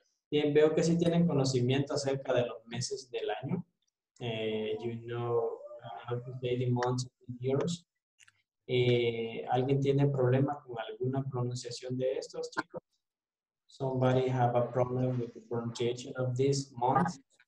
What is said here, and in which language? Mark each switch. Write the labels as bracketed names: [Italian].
[Spanish] Bien, veo que sí tienen conocimiento acerca de los meses del año. [English] You know how to say the months of the years. [Spanish] ¿Alguien tiene problema con alguna pronunciación de estos, chicos? [English] Somebody have a problem with the pronunciation of this month?